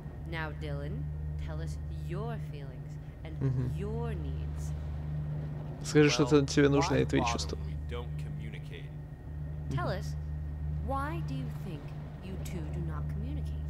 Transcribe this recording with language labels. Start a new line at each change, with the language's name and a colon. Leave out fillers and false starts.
English: Now, Dylan, tell us your feelings and your needs.
Russian: Скажи, что тебе нужно и твои чувства.
English: Tell us, why do you think you two do not communicate?